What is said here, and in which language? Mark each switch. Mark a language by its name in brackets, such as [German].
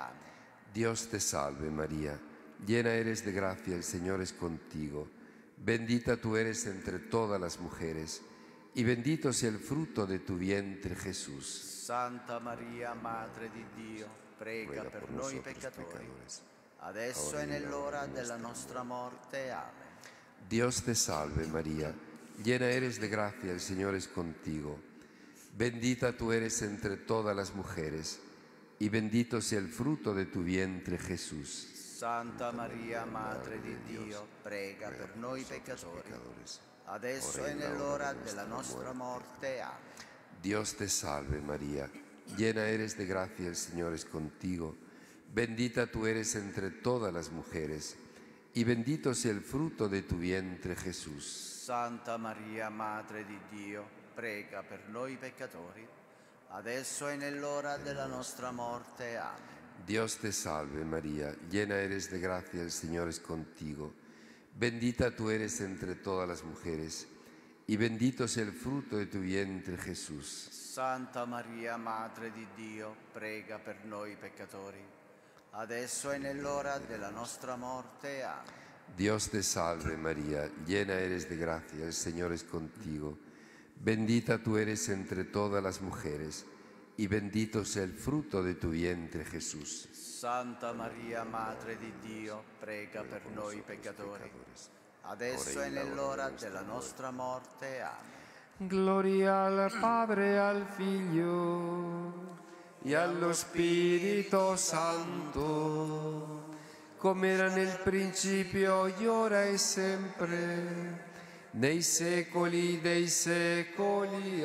[Italian] Amen. [Spanish] Dios te salve, Maria, llena eres de gracia, el Señor es contigo. Bendita tú eres entre todas las mujeres, y bendito sea el fruto de tu vientre, Jesús. [Italian] Santa Maria, Madre di Dio, prega per noi peccatori, adesso e nell'ora della nostra morte. Amen. [Spanish] Dios te salve, María, llena eres de gracia, el Señor es contigo. Bendita tú eres entre todas las mujeres, y bendito sea el fruto de tu vientre, Jesús. Santa María, Madre de Dios, [Italian] prega [Spanish] por [Italian] noi peccatori, adesso [Spanish] en el hora de la nuestra muerte. Amén. Dios te salve, María, llena eres de gracia, el Señor es contigo. Bendita tú eres entre todas las mujeres, y bendito sea el fruto de tu vientre, Jesús. [Italian] Santa María, [Spanish] Madre de Dios, [Italian] prega per noi peccatori, adesso e nell'ora della nostra morte. Amen. [Spanish] Dios te salve María, llena eres de gracia, el Señor es contigo. Bendita tú eres entre todas las mujeres y bendito es el fruto de tu vientre, Jesús. [Italian] Santa María, Madre di Dio, prega per noi peccatori, adesso e nell'ora della nostra morte. Amen. [Spanish] Dios te salve María, llena eres de gracia, el Señor es contigo. Bendita tú eres entre todas las mujeres y bendito sea el fruto de tu vientre, Jesús. [Italian] Santa María, Madre di Dio, prega per noi peccatori, adesso e nell'ora della nostra morte. Amen. Gloria al Padre, al Figlio e allo Spirito Santo, come era nel principio, ora e sempre, nei secoli dei secoli.